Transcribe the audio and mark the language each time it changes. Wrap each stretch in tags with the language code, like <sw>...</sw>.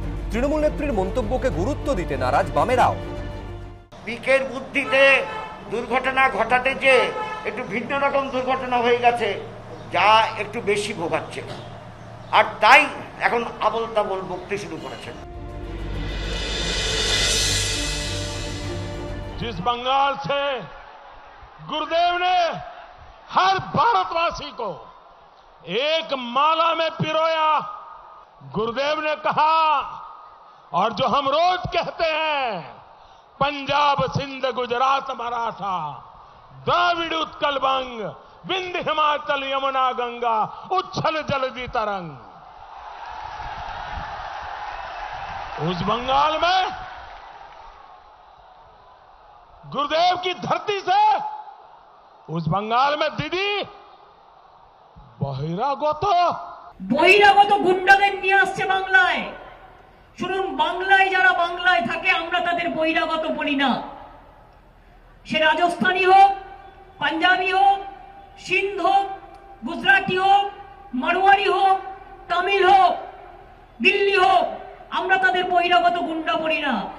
<bn>তৃণমূল নেত্রীর মন্তব্যকে গুরুত্ব দিতে নারাজ বামেরাও। বিকের বুদ্ধিতে দুর্ঘটনা ঘটাতে যে একটু ভিন্ন রকম দুর্ঘটনা হয়ে গেছে যা একটু বেশি ভোগাচ্ছে, আর তাই এখন আবল তাবল বকতে শুরু করেছেন।</bn> <hi>जिस बंगाल से गुरुदेव ने हर भारतवासी को एक माला में पिरोया, गुरुदेव ने कहा और जो हम रोज कहते हैं, पंजाब सिंध गुजरात मराठा द्रविड उत्कल बंग विंध्य हिमाचल यमुना गंगा उच्छल जलधि तरंग, उस बंगाल में गुरुदेव की धरती से, उस बंगाल में दीदी बहिरागत</hi> <bn>गुंडादের নিয়ে আসছে বাংলায়। শুনুন, বাংলায় যারা বাংলায় থাকে আমরা তাদের বহিরাগত বলি না, সে রাজস্থানি হোক, পাঞ্জাবি হোক, সিন্ধ হোক, গুজরাটি হোক, মারোয়ারি হোক, তামিল হোক, দিল্লি হোক, আমরা তাদের বহিরাগত গুন্ডা বলি না।</bn>